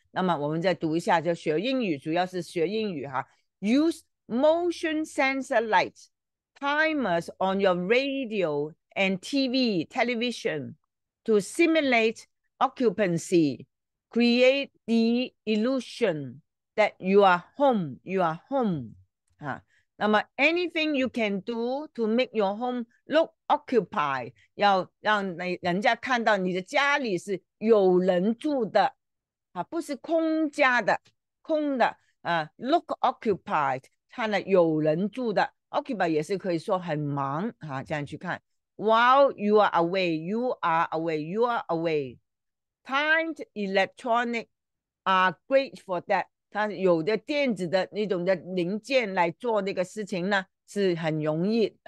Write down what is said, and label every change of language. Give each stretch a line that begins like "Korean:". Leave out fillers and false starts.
Chinese: 那么我们再读一下，就学英语主要是学英语哈。
English: Use motion sensor light timers on your radio and TV television to simulate occupancy, create the illusion that you are home. You are home.
Chinese: 啊，那么
English: anything you can do to make your home look occupied，
Chinese: 要让人家看到你的家里是有人住的，啊，不是空家的，空的。啊，
English: look occupied，
Chinese: 看了有人住的。 occupied 也是可以说很忙啊，这样去看。
English: While you are away, you are away, you are away. Timed electronic are great for that。
Chinese: 它有的电子的那种的零件来做那个事情呢，是很容易。